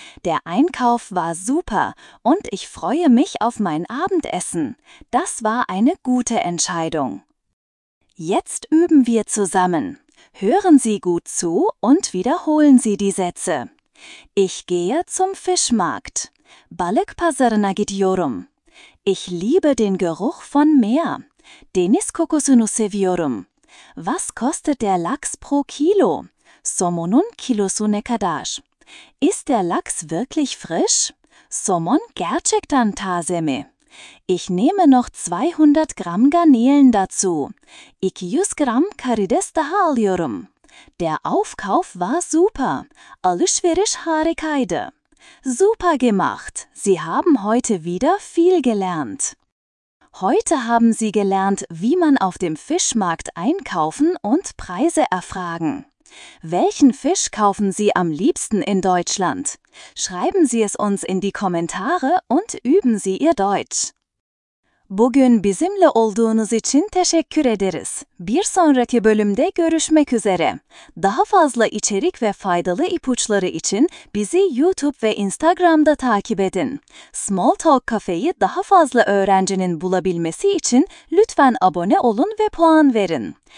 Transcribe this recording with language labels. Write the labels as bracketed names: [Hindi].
[German] Der Einkauf war super und ich freue mich auf mein Abendessen. Das war eine gute Entscheidung. Jetzt üben wir zusammen. Hören Sie gut zu und wiederholen Sie die Sätze. Ich gehe zum Fischmarkt. [Turkish] Balık pazarına gidiyorum. [German] Ich liebe den Geruch von Meer. [Turkish] Deniz kokusunu seviyorum. [German] Was kostet der Lachs pro Kilo? [Turkish] Somonun kilosu ne kadar? [German] Ist der Lachs wirklich frisch? [Turkish] Somon gerçekten taze mi? [German] Ich nehme noch 200 Gramm Garnelen dazu. [Turkish] 200 Gramm karides daha alıyorum. [German] Der Aufkauf war super. [Turkish] Alışveriş harikaydı. [German] Super gemacht. Sie haben heute wieder viel gelernt. Heute haben Sie gelernt, wie man auf dem Fischmarkt einkaufen und Preise erfragen. Welchen Fisch kaufen Sie am liebsten in Deutschland? Schreiben Sie es uns in die Kommentare und üben Sie Ihr Deutsch. [Turkish] Bugün bizimle olduğunuz için teşekkür ederiz. Bir sonraki bölümde görüşmek üzere. Daha fazla içerik ve faydalı ipuçları için bizi YouTube ve Instagram'da takip edin. Small Talk Cafe'yi daha fazla öğrencinin bulabilmesi için lütfen abone olun ve puan verin.